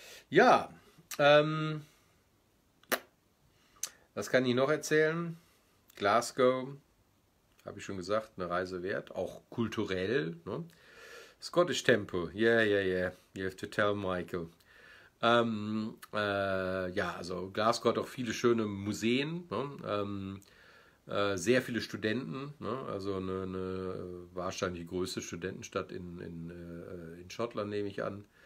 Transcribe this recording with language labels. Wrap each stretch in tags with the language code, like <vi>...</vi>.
<de>Ja, was kann ich noch erzählen? Glasgow, habe ich schon gesagt, eine Reise wert, auch kulturell. Ne?</de> <en>Scottish Temple, yeah, you have to tell Michael.</en> <de>Ja, also Glasgow hat auch viele schöne Museen, ne? Sehr viele Studenten, ne? Also eine wahrscheinlich größte Studentenstadt in Schottland, nehme ich an.</de>